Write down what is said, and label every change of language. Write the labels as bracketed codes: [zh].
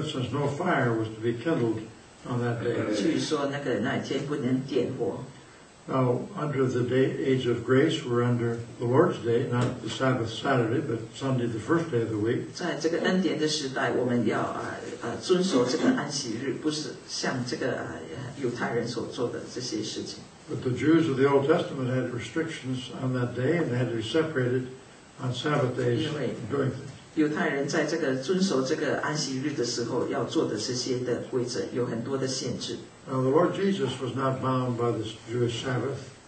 [en] instance, no fire was to be kindled on that day. [zh] 据说那天不能点火。 [en] Now, under the day, age of grace, we're under the Lord's day, not the Sabbath Saturday, but Sunday, the first day of the week. [zh] 在这个恩典的时代，我们要 遵守这个安息日，不是像这个犹太人所做的这些事情。 [en] But the Jews of the Old Testament had restrictions on that day, and they had to be separated on Sabbath days. [zh] 因为犹太人在这个遵守这个安息日的时候，要做的这些的规则有很多的限制。 [en] Now the Lord Jesus was not bound by the Jewish Sabbath.